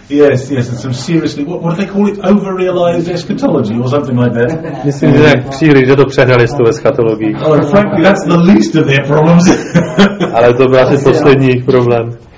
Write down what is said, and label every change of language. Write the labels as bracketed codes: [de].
[en] Yes, yes, and some seriously, what do they call it? Overrealized eschatology or something like that. [cs] Myslím, že nějak příliš, že to přehnali s tou eschatologií. [en] Oh, frankly, that's the least of their problems. [cs] Ale to byl asi poslední jejich problém.